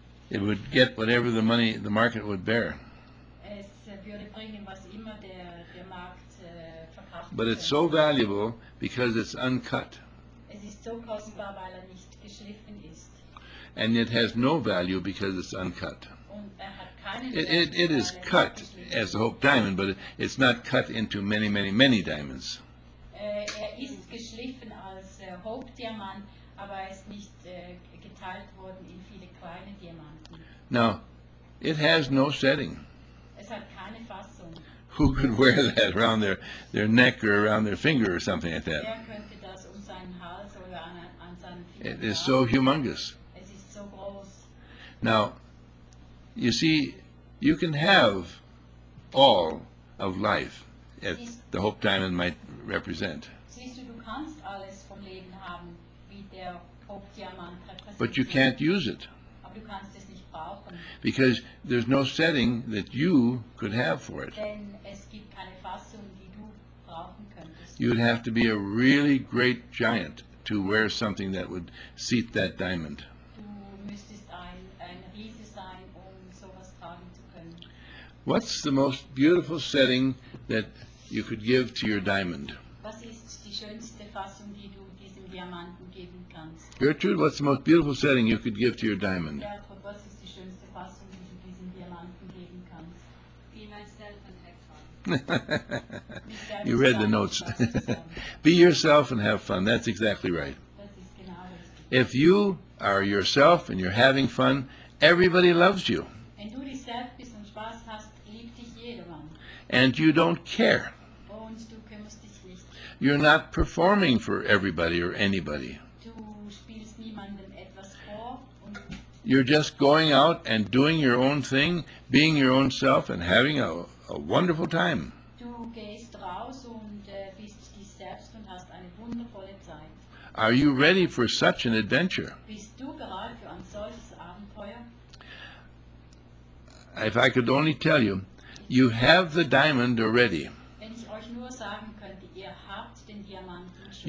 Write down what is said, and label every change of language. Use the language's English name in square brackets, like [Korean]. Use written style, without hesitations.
[English] It would get whatever the money, the market would bear. [German] Es würde bringen, was immer der Markt verkauft. [English] But it's so valuable because it's uncut. [German] Es ist so kostbar, weil nicht geschliffen ist. [English] And it has no value because it's uncut. [German] Und hat [English] it is cut as the Hope Diamond, but it's not cut into many, many, many diamonds. [German] Ist geschliffen als Hope Diamant, aber er ist nicht geteilt worden in viele kleine Diamanten. [English] Now, it has no setting. [German] Es hat keine Fassung. [English] Who could wear that around their neck or around their finger or something like that? [German] Wer könnte das um seinen Hals oder an seinen Finger? [English] It is so humongous. [German] Es ist so groß. [English] Now, you see, you can have all of life at the Hope Diamond might represent. [German] Siehst du, du kannst alles vom Leben haben, wie der Hope Diamant repräsentiert. [English] But you can't use it. [German] Aber du kannst es nicht brauchen. [English] Because there's no setting that you could have for it. [German] Denn es gibt keine Fassung, die du brauchen könntest. [English] You'd have to be a really great giant to wear something that would seat that diamond. [German] Du müsstest ein Riese sein, um sowas tragen zu können. [English] What's the most beautiful setting that you could give to your diamond? [German] Was ist die schönste Fassung, die du diesem Diamanten geben kannst? [English] Gertrude, what's the most beautiful setting you could give to your diamond? [German] Gertrude, was ist die schönste Fassung, die du diesem Diamanten geben kannst? [English] Be myself and have fun. You read the notes. Be yourself and have fun. That's exactly right. [German] Das ist genau richtig. [English] If you are yourself and you're having fun, everybody loves you. [German] Wenn du dich selbst bist und Spaß hast, liebt dich jedermann. [English] And you don't care. [German] Und du kümmerst dich nicht. [English] You're not performing for everybody or anybody. [German] Du spielst niemandem etwas vor. [English] You're just going out and doing your own thing, being your own self and having a wonderful time. [German] Du gehst raus und bist dich selbst und hast eine wundervolle Zeit. [English] Are you ready for such an adventure? [German] Bist du gerade für ein solches Abenteuer? [English] If I could only tell you, you have the diamond already. [German] Wenn ich euch nur sagen könnte, ihr habt den Diamanten schon.